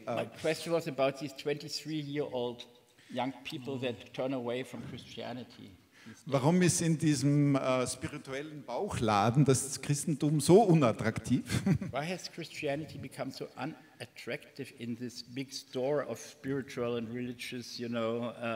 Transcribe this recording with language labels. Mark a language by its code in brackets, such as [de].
[en] My question was about these 23-year-old young people that turn away from Christianity. [de] Warum ist in diesem spirituellen Bauchladen das Christentum so unattraktiv? [en] Why has Christianity become so unattractive in this big store of spiritual and religious, you know,